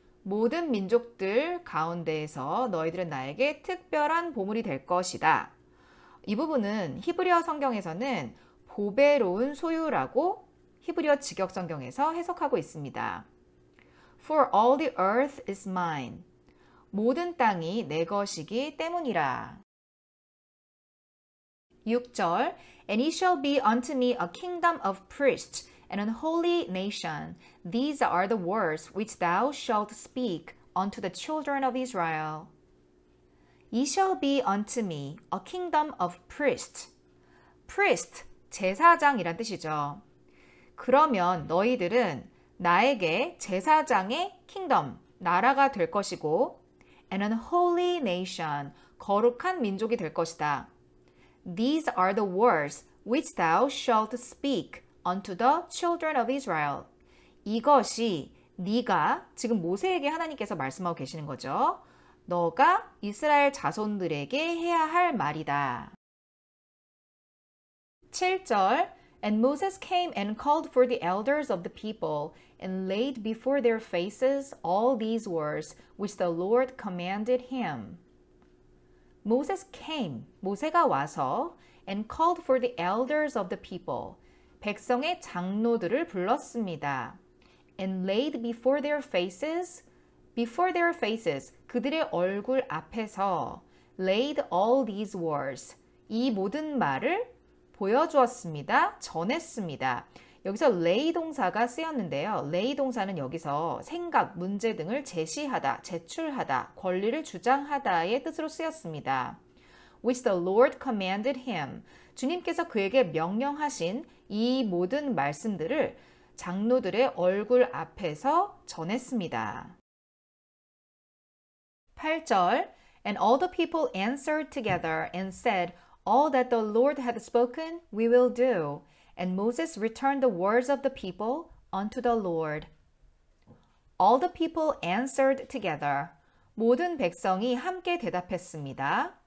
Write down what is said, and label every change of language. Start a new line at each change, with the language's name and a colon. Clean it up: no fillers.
Korean: 모든 민족들 가운데에서 너희들은 나에게 특별한 보물이 될 것이다. 이 부분은 히브리어 성경에서는 보배로운 소유라고 히브리어 직역 성경에서 해석하고 있습니다.
English: For all the earth is mine.
Korean: 모든 땅이 내 것이기 때문이라.
English: 6절 And he shall be unto me a kingdom of priests, and an holy nation. These are the words which thou shalt speak unto the children of Israel. Ye shall be unto me a kingdom of priests.
Korean: Priest, 제사장이란 뜻이죠. 그러면 너희들은 나에게 제사장의 kingdom, 나라가 될 것이고,
English: and an holy nation,
Korean: 거룩한 민족이 될 것이다.
English: These are the words which thou shalt speak unto the children of Israel.
Korean: 이것이 네가 지금 모세에게 하나님께서 말씀하고 계시는 거죠. 너가 이스라엘 자손들에게 해야 할 말이다.
English: 7절 And Moses came and called for the elders of the people and laid before their faces all these words which the Lord commanded him. Moses came,
Korean: 모세가 와서
English: and called for the elders of the people,
Korean: 백성의 장로들을 불렀습니다.
English: And laid before their faces,
Korean: 그들의 얼굴 앞에서
English: laid all these words,
Korean: 이 모든 말을 보여주었습니다. 전했습니다. 여기서 lay 동사가 쓰였는데요. lay 동사는 여기서 생각, 문제 등을 제시하다, 제출하다, 권리를 주장하다의 뜻으로 쓰였습니다.
English: Which the Lord commanded him.
Korean: 주님께서 그에게 명령하신 이 모든 말씀들을 장로들의 얼굴 앞에서 전했습니다.
English: 8절 And all the people answered together and said, All that the Lord had spoken, we will do. And Moses returned the words of the people unto the Lord. All the people answered together.
Korean: 모든 백성이 함께 대답했습니다.